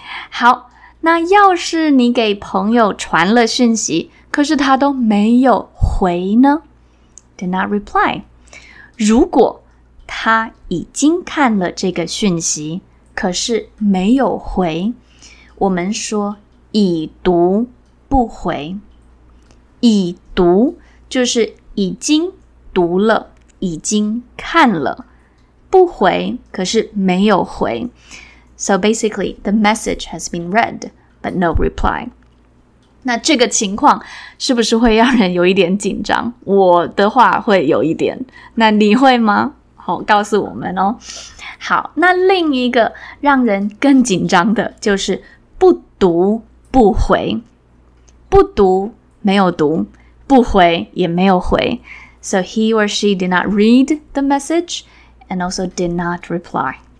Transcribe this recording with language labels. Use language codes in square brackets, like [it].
[zh] 好，那要是你给朋友传了讯息，可是他都没有回呢， [en] did not reply， [zh] 如果他已经看了这个讯息可是没有回，我们说已读不回。已读就是已经读了，已经看了，不回可是没有回。 [en] So basically the message has been read but no reply。 [zh] 那这个情况是不是会让人有一点紧张？我的话会有一点，那你会吗？好，告诉我们哦。好，那另一个让人更紧张的就是不读不回，不读没有读，不回也没有回。 [en] So he or she did not read the message and also did not reply。